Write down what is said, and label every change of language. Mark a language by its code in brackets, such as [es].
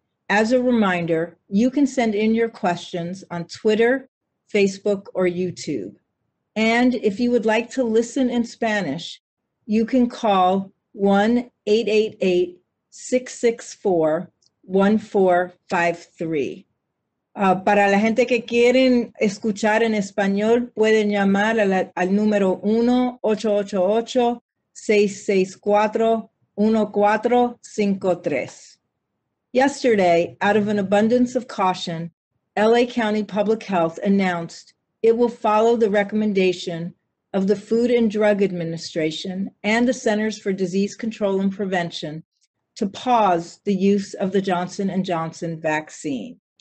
[en] As a reminder, you can send in your questions on Twitter, Facebook, or YouTube. And if you would like to listen in Spanish, you can call 1-888-664-1453. [es] Para la gente que quieren escuchar en español, pueden llamar al número 1-888-664-1453. [en] Yesterday, out of an abundance of caution, LA County Public Health announced it will follow the recommendation of the Food and Drug Administration and the Centers for Disease Control and Prevention to pause the use of the Johnson & Johnson vaccine.